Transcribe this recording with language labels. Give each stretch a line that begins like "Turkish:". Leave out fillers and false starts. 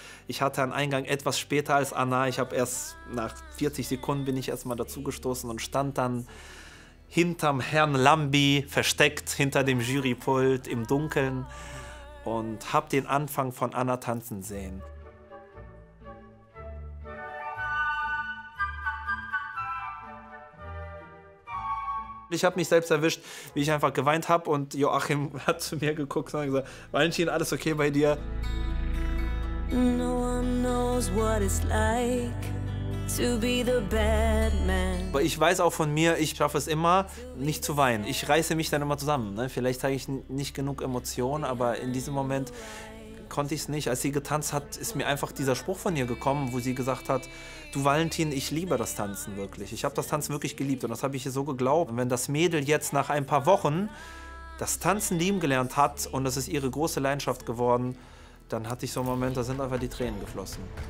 German: Ich hatte einen Eingang etwas später als Anna. Ich habe erst nach 40 Sekunden bin ich erstmal dazugestoßen und stand dann hinterm Herrn Lambi, versteckt hinter dem Jurypult im Dunkeln und hab den Anfang von Anna tanzen sehen. Ich habe mich selbst erwischt, wie ich einfach geweint habe und Joachim hat zu mir geguckt und gesagt, Valentin, alles okay bei dir?
English: No one knows what it's like to be the bad man.
German: Aber ich weiß auch von mir, ich schaffe es immer, nicht zu weinen. Ich reiße mich dann immer zusammen. Ne? Vielleicht zeige ich nicht genug Emotionen, aber in diesem Moment konnte ich es nicht. Als sie getanzt hat, ist mir einfach dieser Spruch von ihr gekommen, wo sie gesagt hat, du Valentin, ich liebe das Tanzen wirklich. Ich habe das Tanzen wirklich geliebt und das habe ich ihr so geglaubt. Und wenn das Mädel jetzt nach ein paar Wochen das Tanzen lieben gelernt hat und das ist ihre große Leidenschaft geworden, dann hatte ich so einen Moment, da sind einfach die Tränen geflossen.